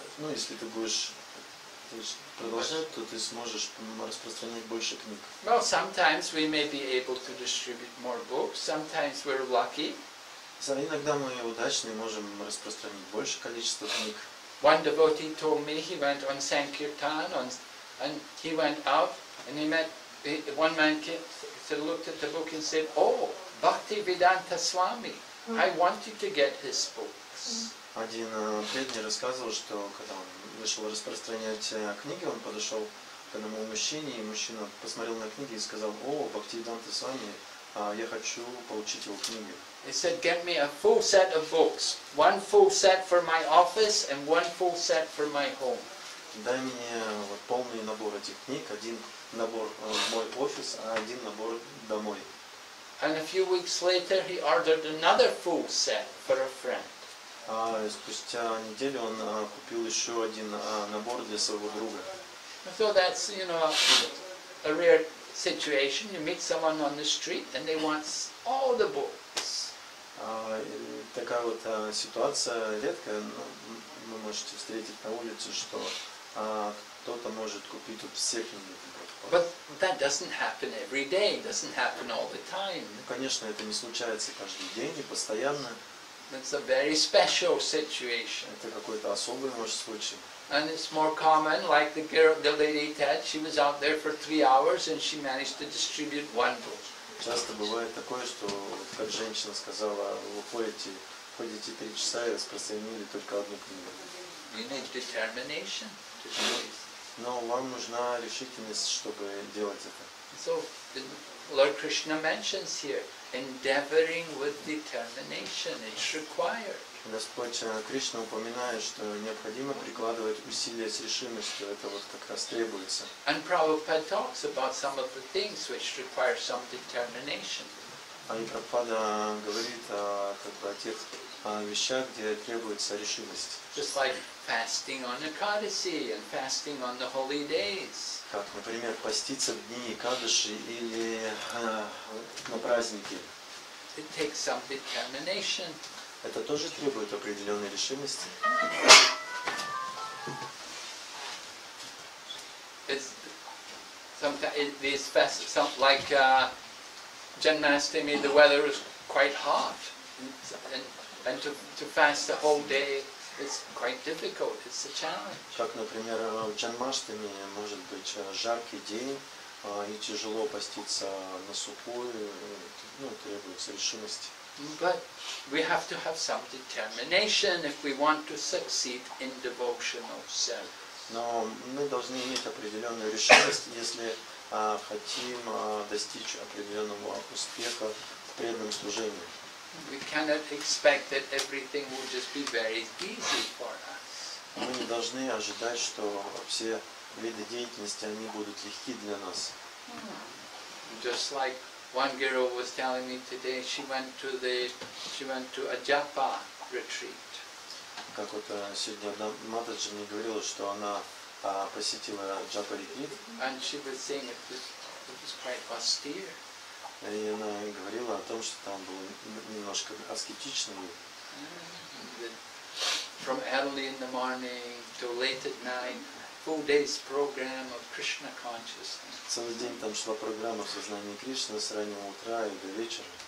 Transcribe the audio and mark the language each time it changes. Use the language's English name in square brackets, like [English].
[Russian] Если ты будешь продолжать, то ты сможешь распространять больше книг. [English] Well, sometimes we may be able to distribute more books. Sometimes we're lucky. [Russian] Иногда мы удачны, можем распространить больше количества книг. [English] One devotee told me he went on Sankirtan and he went out and he met one man came, looked at the book and said, oh, Bhakti Vedanta Swami, I wanted to get his books. [Russian] Один преданный рассказывал, что когда он вышел распространять книги, он подошел к одному мужчине, и мужчина посмотрел на книги и сказал, о, Бхакти Веданта Свами, я хочу получить его книги. [English] He said, get me a full set of books. One full set for my office and one full set for my home. [Russian] Дай мне полный набор этих книг. Один набор в мой офис, а один набор домой. [English] And a few weeks later he ordered another full set for a friend. [Russian] Спустя неделю он купил еще один набор для своего друга. [English] So that's, a rare situation. You meet someone on the street and they want all the books. [Russian] Такая вот ситуация редкая, но вы можете встретить на улице, что кто-то может купить вот все книги. [English] But that doesn't happen every day, doesn't happen all the time. [Russian] Конечно, это не случается каждый день и постоянно. [English] It's a very special situation. [Russian] Это какой-то особый, может, случай. [English] And it's more common, like the lady Ted, she was out there for 3 hours and she managed to distribute one book. [Russian] Часто бывает такое, что, как женщина сказала, вы ходите 3 часа и распространили только одну книгу. [English] You need determination to choose. [Russian] Но вам нужна решительность, чтобы делать это. [English] So, Lord Krishna mentions here, endeavoring with determination, it's required. [Russian] Господь Кришна упоминает, что необходимо прикладывать усилия с решимостью, это вот как раз требуется. [English] And Prabhupada talks about some of the things which require some determination. [Russian] И Прабхупада говорит о тех вещах, где требуется решимость. [English] Just like fasting on Ekadasi and fasting on the holy days. [Russian] Как, например, поститься в дни Экадаши или на праздники. [English] It takes some determination. [Russian] Это тоже требует определенной решимости. [English] It's sometimes these fasts, some like Janmashtami, the weather is quite hot, and to fast the whole day, it's quite difficult. It's a challenge. [Russian] Как, например, в Джанмаштами может быть жаркий день, и тяжело поститься на сухую, ну, требуется решимость. [English] But we have to have some determination if we want to succeed in devotional service. [Russian] Но мы должны иметь определенную решимость, если хотим достичь определенного успеха в преданном служении. [English] We cannot expect that everything will just be very easy for us. [Russian] Мы не должны ожидать, что все виды деятельности они будут легки для нас. [English] Just like one girl was telling me today, she went to a japa retreat. [Russian] Как вот сегодня одна матаджи мне говорила, что она посетила джапа ретрит. [English] And she was saying it was quite austere. [Russian] И она говорила о том, что там было немножко аскетично. [English] From early in the morning to late at night, full day's program of Krishna consciousness. [Russian] Целый день там шла программа сознания Кришны с раннего утра и до вечера.